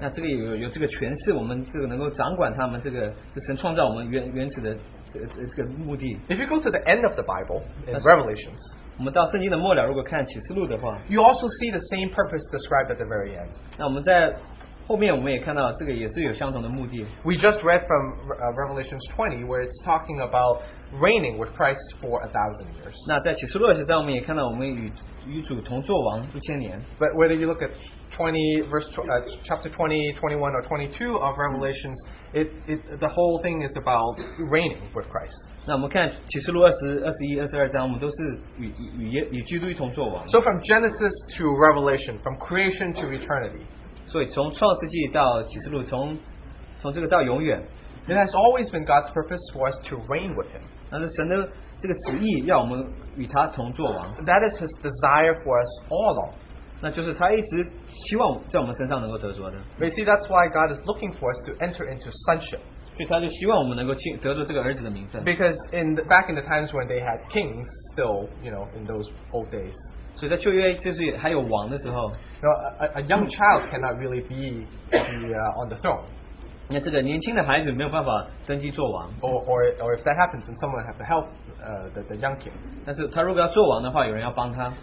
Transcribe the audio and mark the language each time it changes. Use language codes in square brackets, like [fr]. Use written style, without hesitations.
[zh] 那这个有这个权势，我们这个能够掌管他们这个，是神创造我们原始的。 [en] If you go to the end of the Bible, in Revelations, [zh] 我们到圣经的末了，如果看启示录的话, [en] you also see the same purpose described at the very end. [zh] 那我们在, [en] We just read from Revelations 20 where it's talking about reigning with Christ for 1,000 years. [zh] 那在启示录二十章我们也看到我们与主同作王一千年。 [en] But whether you look at 20 chapter 20, 21 or 22 of Revelations, the whole thing is about reigning with Christ. [zh] 那我们看启示录二十、二十一、二十二章，我们都是与基督一同作王。 [en] So from Genesis to Revelation, from creation to eternity. [zh] 所以从创世纪到启示录，从这个到永远。 [en] It has always been God's purpose for us to reign with Him. [zh] 那是神的这个旨意，要我们与他同作王。 [en] That is His desire for us all along. [zh] 那就是他一直希望在我们身上能够得着的。 [en] You see, that's why God is looking for us to enter into sonship. [zh] 所以他就希望我们能够得着这个儿子的名分。 [en] Because back in the times when they had kings still, you know, in those old days. [zh] 所以在旧约就是还有王的时候。 [en] You know, a young child cannot really be on the throne. [zh] 那这个年轻的孩子没有办法登基做王。 [en] Or if that happens, then someone has to help the young king. [zh] 但是他如果要做王的话，有人要帮他。